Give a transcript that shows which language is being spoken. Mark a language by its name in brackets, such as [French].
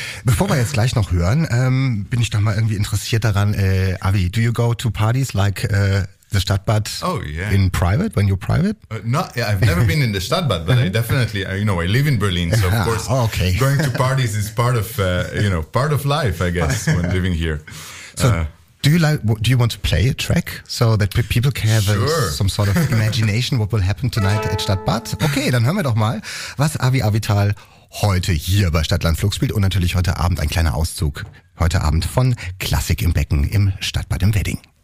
[German] Bevor wir jetzt gleich noch hören, bin ich doch mal irgendwie interessiert daran. [English] Avi, do you go to parties like the Stadtbad in private, when you're private? I've never been in the Stadtbad, but I live in Berlin, so of course going to parties is part of life, I guess, when living here. So do you want to play a track so that people can have some sort of imagination what will happen tonight at Stadtbad? [German] Okay, dann hören wir doch mal, was Avi Avital heute hier bei Stadtland Flux spielt und natürlich heute Abend ein kleiner Auszug heute Abend von Klassik im Becken im Stadtbad im Wedding.